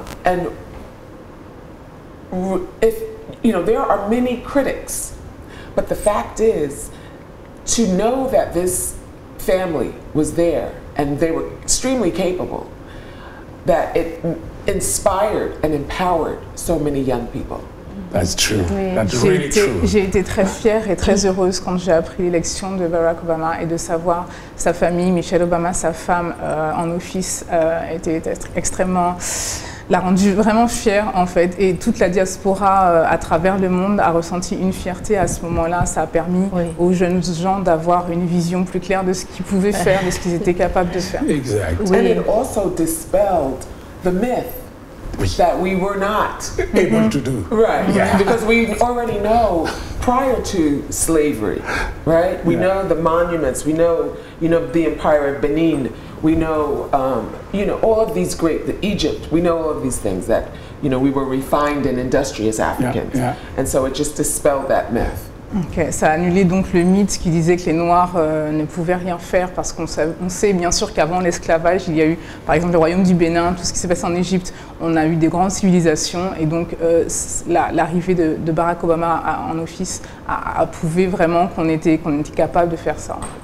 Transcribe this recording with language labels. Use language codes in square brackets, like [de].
[en] And if, you know, there are many critics, but the fact is, to know that this family was there and they were extremely capable, that it inspired and empowered so many young people. That's true. [fr] Oui. [en] That's really true. [fr] J'ai été très fière et très heureuse quand j'ai appris l'élection de Barack Obama et de savoir sa famille, Michelle Obama, sa femme en office, était extrêmement, l'a rendue vraiment fière en fait. Et toute la diaspora à travers le monde a ressenti une fierté à ce moment-là. Ça a permis aux jeunes gens d'avoir une vision plus claire de ce qu'ils pouvaient faire, de ce qu'ils étaient capables de faire. Exact. Oui. [en] And it also dispelled the myth. Oui. That we were not able to do. Right. Yeah. Because we already know prior to slavery, right? We know the monuments, we know, you know, the Empire of Benin, we know, you know, all of these great, the Egypt, we know all of these things that, you know, we were refined and industrious Africans. Yeah. Yeah. And so it just dispelled that myth. [fr] Ok, ça a annulé donc le mythe qui disait que les Noirs ne pouvaient rien faire parce qu'on sait, bien sûr qu'avant l'esclavage, il y a eu par exemple le royaume du Bénin, tout ce qui s'est passé en Égypte, on a eu des grandes civilisations et donc l'arrivée de Barack Obama en office a prouvé vraiment qu'on était capable de faire ça.